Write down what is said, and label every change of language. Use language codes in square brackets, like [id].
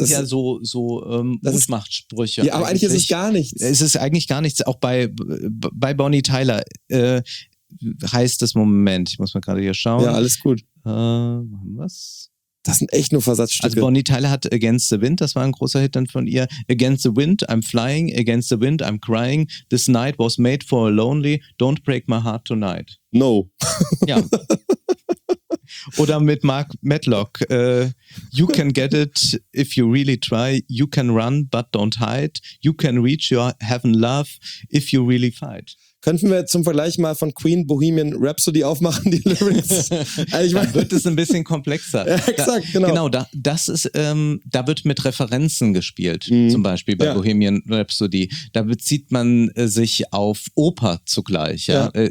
[de] Das sind Mutmachtsprüche. Ja, aber eigentlich ist es gar nichts. Es ist eigentlich gar nichts. Auch bei Bonnie Tyler heißt es, Moment, ich muss mal gerade hier schauen. Ja, alles gut. Was? Das sind echt nur Versatzstücke. Also Bonnie Tyler hat Against the Wind, das war ein großer Hit dann von ihr. [en] Against the Wind, I'm Flying. Against the Wind, I'm Crying. This Night Was Made for Lonely. Don't Break My Heart Tonight. No. Ja. Oder mit Mark Medlock. You can get it if you really try. You can run, but don't hide. You can reach your heaven love if you really fight. [de] Könnten wir zum Vergleich mal von Queen Bohemian Rhapsody aufmachen, die Lyrics? Dann wird es ein bisschen komplexer. Ja, exakt, genau. Da wird mit Referenzen gespielt, zum Beispiel bei Bohemian Rhapsody. Da bezieht man sich auf Oper zugleich. Ja?